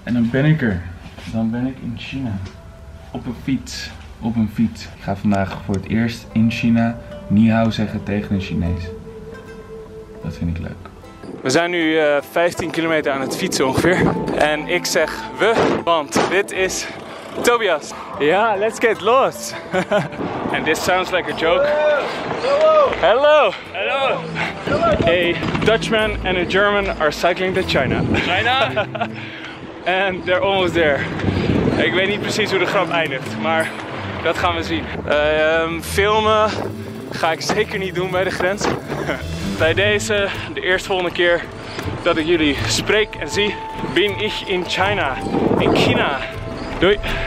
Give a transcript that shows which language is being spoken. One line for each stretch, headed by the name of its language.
Dutch: En dan ben ik er. Dan ben ik in China. Op een fiets. Op een fiets. Ik ga vandaag voor het eerst in China ni hao zeggen tegen een Chinees. Dat vind ik leuk. We zijn nu 15 kilometer aan het fietsen ongeveer. En ik zeg we, want dit is Tobias.
English: Ja, yeah, let's get lost. And this sounds like a joke. Hello. Hello. A Dutchman and a German are cycling to China. China? And they're almost there.
Dutch: Ik weet niet precies hoe de grap eindigt, maar dat gaan we zien. Filmen ga ik zeker niet doen bij de grens. Bij deze, de eerstvolgende keer dat ik jullie spreek en zie,
German: bin ich in China.
Dutch: In China. Doei.